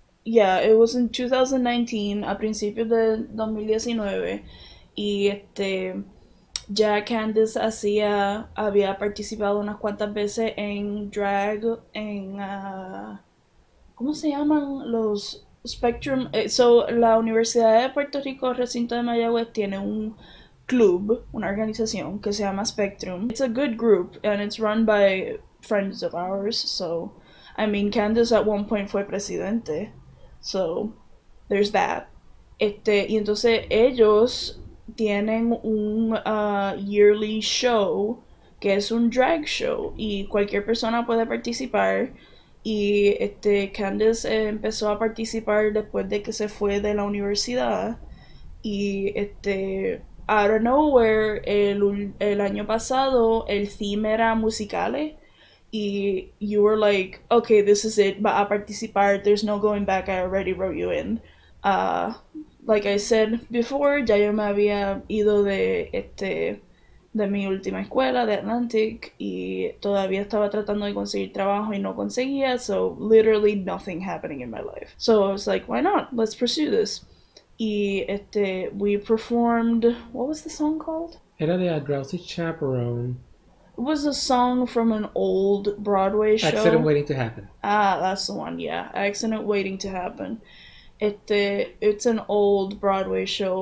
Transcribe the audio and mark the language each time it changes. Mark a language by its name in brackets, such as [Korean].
[English] Yeah, it was in 2019, [Spanish] a principio de 2019, y ya Candice había participado unas cuantas veces en drag en ¿cómo se llaman los Spectrum? So, la Universidad de Puerto Rico, Recinto de Mayagüez, tiene un club, una organización que se llama Spectrum. [English] It's a good group and it's run by friends of ours. So, I mean, Candace at one point [Spanish] fue presidente. [English] So, there's that. [Spanish] Y entonces ellos tienen un yearly show que es un drag show y cualquier persona puede participar. Y Candace empezó a participar después de que se fue de la universidad. Y [English] out of nowhere, [Spanish] el año pasado, el theme era musicales. [English] Y you were like, okay, this is it, [Spanish] va a participar, [English] there's no going back, I already wrote you in. [Spanish] Like I said before, ya yo me había ido de mi última escuela, de Atlantic, y todavía estaba tratando de conseguir trabajo y no conseguía, [English] so literally nothing happening in my life. So I was like, why not? Let's pursue this. Y we performed, what was the song called? [Spanish] Era de A Drowsy Chaperone. [English] It was a song from an old Broadway Accident show. waiting to happen. Ah, that's the one, yeah. Accident Waiting to Happen. It's an old Broadway show.